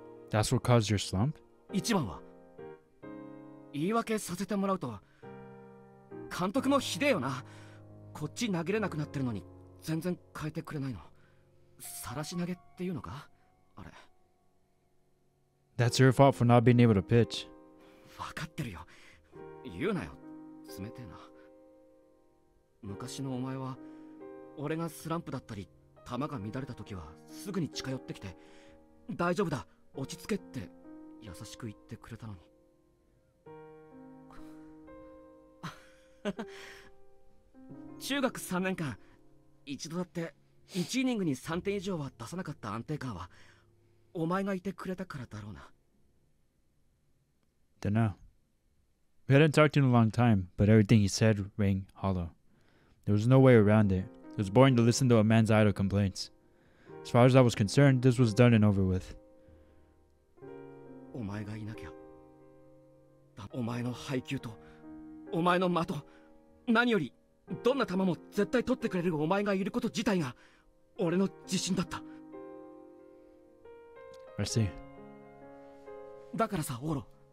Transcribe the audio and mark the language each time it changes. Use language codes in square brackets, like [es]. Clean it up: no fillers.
[en] That's what caused your slump? [ja] 一番は、言い訳させてもらうと、監督もひでえよな。こっち投げれなくなってるのに、全然変えてくれないの。晒し投げっていうのか、あれ。 [en] That's your fault for not being able to pitch. [ja] 分かってるよ。言うなよ、冷てえな。昔のお前は、俺がスランプだったり、球が乱れた時はすぐに近寄ってきて、大丈夫だ、落ち着けって優しく言ってくれたのに。中学3年間、一度だって1イニングに3点以上は出さなかった安定感は、お前がいてくれたからだろうな。だな。 [en] We hadn't talked in a long time, but everything he said rang hollow. There was no way around it. It was boring to listen to a man's idle complaints. As far as I was concerned, this was done and over with. [ja] お前がいなきゃ。お前の配球と、お前の間と、何より、どんな球も絶対取ってくれるお前がいること自体が、俺の自信だった。 [en] I see. [ja] だからさ、オーロ。